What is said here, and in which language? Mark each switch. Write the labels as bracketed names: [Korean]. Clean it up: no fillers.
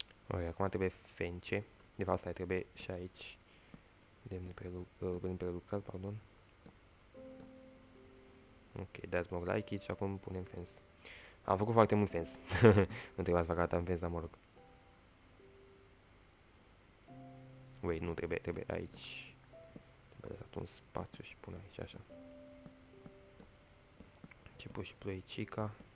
[Romanian] Ok, acum trebuie fence. De fapt, asta trebuie și aici. Lemn prelucrat, pardon. [English] Ok, that's more like it. [Romanian] Și acum punem fence. Am făcut foarte mult fence. Nu trebuie să fac atâta fence, dar mă rog. Wait, nu trebuie, trebuie aici. Trebuie lăsat un spațiu și pun aici, așa. Ce pui și ploicica.